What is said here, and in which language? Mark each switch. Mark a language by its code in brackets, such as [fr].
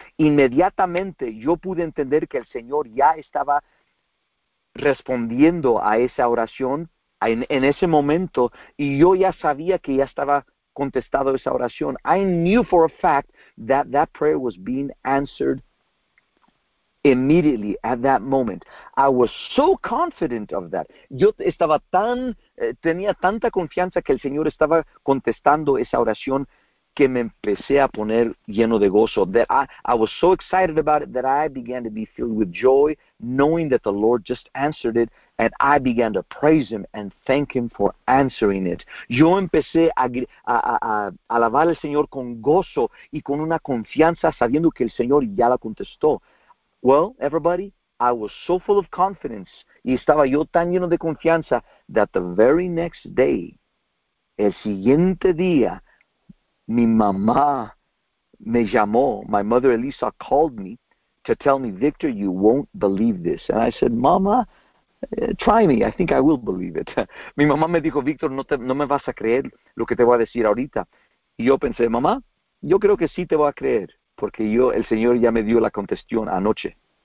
[es] Inmediatamente, yo pude entender que el Señor ya estaba respondiendo a esa oración en ese momento, y yo ya sabía que ya estaba contestado esa oración. [en] I knew for a fact that that prayer was being answered immediately at that moment. I was so confident of that. [es] Yo estaba tenía tanta confianza que el Señor estaba contestando esa oración que me empecé a poner lleno de gozo. [en] That I was so excited about it that I began to be filled with joy, knowing that the Lord just answered it, and I began to praise Him and thank Him for answering it. [es] Yo empecé a alabar al Señor con gozo y con una confianza, sabiendo que el Señor ya la contestó. [en] Well, everybody, I was so full of confidence, [es] y estaba yo tan lleno de confianza, [en] that the very next day, [es] el siguiente día, mi mamá me llamó, [en] my mother Elisa called me to tell me, Victor, you won't believe this. And I said, Mama, try me, I think I will believe it. [es] Mi mamá me dijo, Victor, no me vas a creer lo que te voy a decir ahorita. Y yo pensé, mamá, yo creo que sí te voy a creer, porque el Señor ya me dio la contestación anoche.